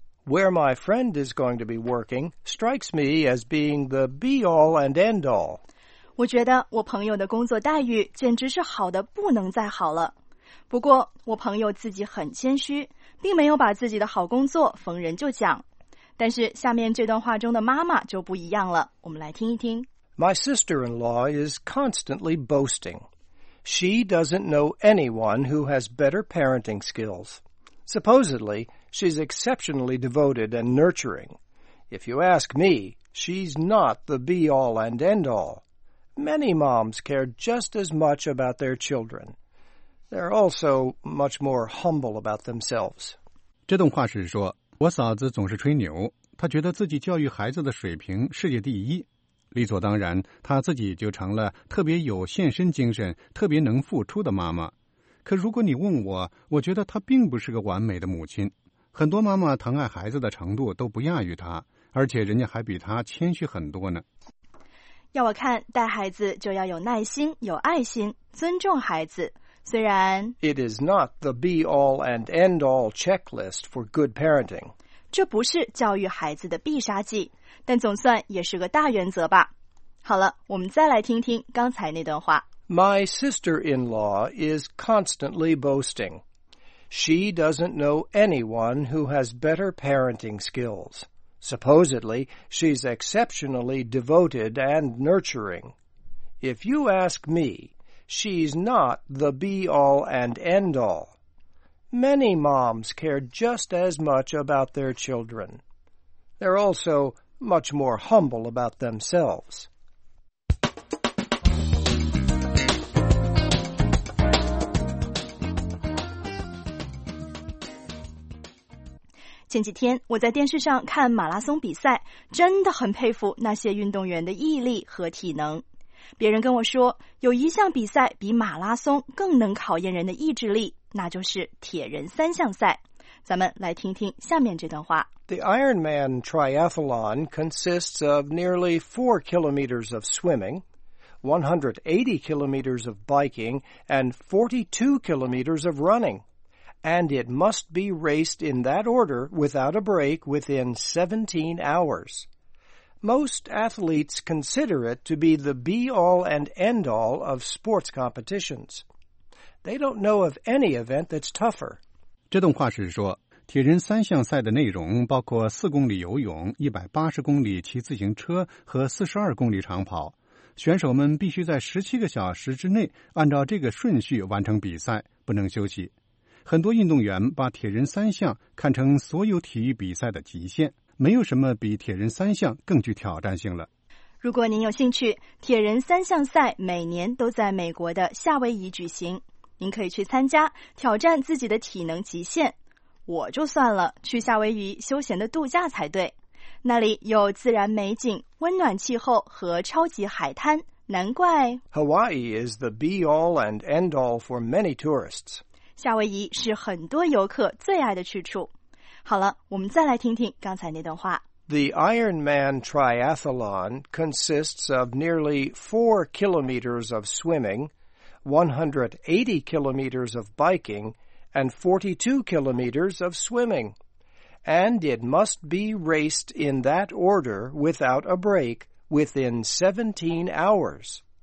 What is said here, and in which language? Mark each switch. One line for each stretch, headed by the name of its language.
English: Where my friend is going to be working strikes me as being the be all and end all.
Chinese: 我觉得我朋友的工作待遇简直是好得不能再好了。不过我朋友自己很谦虚，并没有把自己的好工作逢人就讲。但是下面这段话中的妈妈就不一样了，我们来听一听。
English: My sister-in-law is constantly boasting. She doesn't know anyone who has better parenting skills. Supposedly, she's exceptionally devoted and nurturing. If you ask me, she's not the be-all and end-all. Many moms care just as much about their children. They're also much more humble about themselves.
Chinese: 这段话是说，我嫂子总是吹牛，她觉得自己教育孩子的水平世界第一，理所当然，她自己就成了特别有献身精神、特别能付出的妈妈。可如果你问我，我觉得她并不是个完美的母亲。很多妈妈疼爱孩子的程度都不亚于她，而且人家还比她谦虚很多呢。要我看，带孩子就要有耐心、有爱心、尊重孩子。虽然
English: It is not the be-all and end-all checklist for good parenting.
Chinese: 这不是教育孩子的必杀技，但总算也是个大原则吧。好了，我们再来听听刚才那段话。
English: My sister-in-law is constantly boasting. She doesn't know anyone who has better parenting skills. Supposedly, she's exceptionally devoted and nurturing. If you ask me, she's not the be-all and end-all. Many moms care just as much about their children. They're also much more humble about themselves.
Chinese: 前几天我在电视上看马拉松比赛，真的很佩服那些运动员的毅力和体能。别人跟我说，有一项比赛比马拉松更能考验人的意志力，那就是铁人三项赛。咱们来听听下面这段话。 The Ironman Triathlon consists of nearly 4 kilometers of swimming, 180 kilometers of biking, and 42 kilometers of running. And it must be raced in that order without a break within 17 hours. Most athletes consider it to be the be-all and end-all of sports competitions. They don't know of any event that's tougher. 这段话是说，铁人三项赛的内容包括4公里游泳、180公里骑自行车和42公里长跑。选手们必须在17个小时之内按照这个顺序完成比赛，不能休息。很多运动员把铁人三项看成所有体育比赛的极限，没有什么比铁人三项更具挑战性了。如果您有兴趣，铁人三项赛每年都在美国的夏威夷举行，您可以去参加，挑战自己的体能极限。我就算了，去夏威夷休闲的度假才对，那里有自然美景、温暖气候和超级海滩，难怪
English: Hawaii is the be-all and end-all for many tourists。
Chinese: 夏威夷是很多游客最爱的去处。好了，我们再来听听刚才那段话。
English: The Ironman Triathlon consists of nearly 4 kilometers of swimming, 180 kilometers of biking, and 42 kilometers of swimming. And it must be raced in that order without a break within 17 hours.